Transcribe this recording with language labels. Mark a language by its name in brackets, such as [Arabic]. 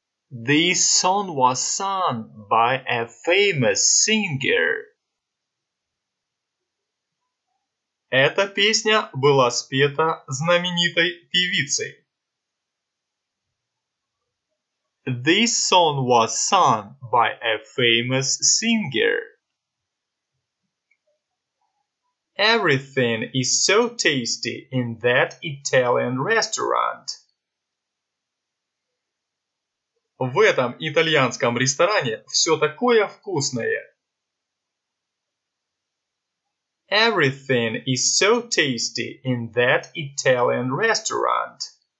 [English] This song was sung by a famous singer. [Russian] Эта песня была спета знаменитой певицей. [English] This song was sung by a famous singer. Everything is so tasty in that Italian restaurant. [Russian] В этом итальянском ресторане все такое вкусное. [English] Everything is so tasty in that Italian restaurant.